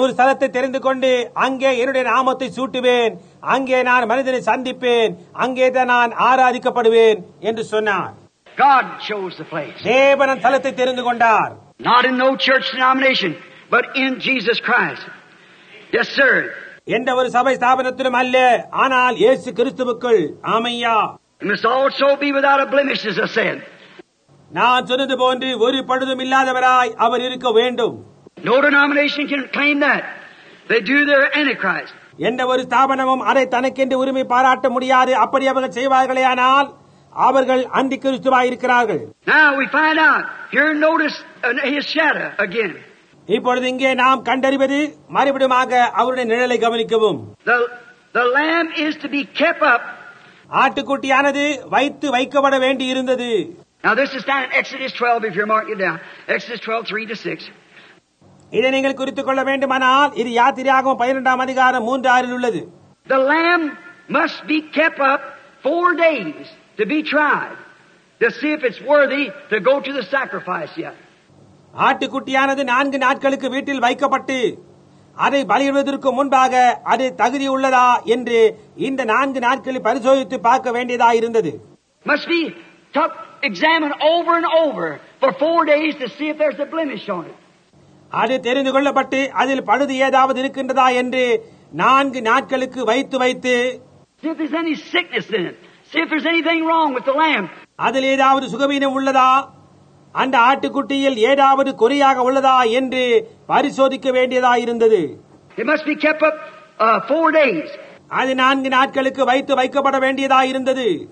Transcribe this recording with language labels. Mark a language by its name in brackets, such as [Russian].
[Tamil] ஒரு ஸ்தலத்தை தெரிந்து கொண்டு அங்கே என்னுடைய நாமத்தை சூட்டுவேன், அங்கே நான் மனிதனை சந்திப்பேன், அங்கேதான் நான் ஆராதிக்கப்படுவேன் என்று சொன்னார். [English] God chose the place. [Tamil] தேவன் ஸ்தலத்தை தெரிந்து கொண்டார். [English] Not in no church denomination, but in Jesus Christ. Yes, sir. [Tamil] எந்த ஒரு சபை ஸ்தாபனத்திலும் அல்ல, ஆனால் இயேசு கிறிஸ்துவுக்குள். ஆமையா. [English] It must also be without a blemish, as I said. [Tamil] நான் சொன்னது போன்று ஒரு பழுதும் இல்லாதவராய் அவர் இருக்க வேண்டும். [English] No denomination can claim that. They do their antichrist. [Tamil] எந்த ஒரு ஸ்தாபனமும் அதை தனக்கென்று உரிமை பாராட்ட முடியாது. அப்படி அவர்கள் செய்வார்களே ஆனால் அவர்கள் அந்தி கிறிஸ்துவாய் இருக்கிறார்கள். [English] Now we find out. Here notice his shadow again. [Tamil] இப்பொழுது இங்கே நாம் கண்டறிவது மறுபடியும் அவருடைய நிழலை கவனிக்கவும். [English] The lamb is to be kept up. [Tamil] ஆட்டுக்குட்டியானது வைத்து வைக்கப்பட வேண்டி இருந்தது. [English] Now this is down in Exodus 12, if you're marking it down. Exodus 12, 3 to 6. [Tamil] இதை நீங்கள் குறித்துக் கொள்ள வேண்டுமானால் இது யாத்திரையாகவும் 12:3 உள்ளது. [English] The lamb must be kept up 4 days to be tried to see if it's worthy to go to the sacrifice yet. [Tamil] ஆட்டுக்குட்டியானது 4 நாட்களுக்கு வீட்டில் வைக்கப்பட்டு அதை பலியிடுவதற்கு முன்பாக அது தகுதி உள்ளதா என்று இந்த 4 நாட்களில் பரிசோதித்து பார்க்க வேண்டியதா இருந்தது. [English] Must be examined over and over for 4 days to see if there's a blemish on it. [Tamil] அது தெரிந்து கொள்ளப்பட்டு அதில் பழுது ஏதாவது இருக்கின்றதா என்று 4 நாட்களுக்கு வைத்து வைத்து [English] see if there's any sickness in it. See if there's anything wrong with the lamb. [Tamil] அதில் ஏதாவது சுகவீனம் உள்ளதா, அந்த ஆட்டுக்குட்டியில் ஏதாவது குறையாக உள்ளதா என்று பரிசோதிக்க வேண்டியதா இருந்தது. [English] It must be kept up 4 days. [Tamil] அது 4 நாட்களுக்கு வைத்து வைக்கப்பட வேண்டியதா இருந்தது.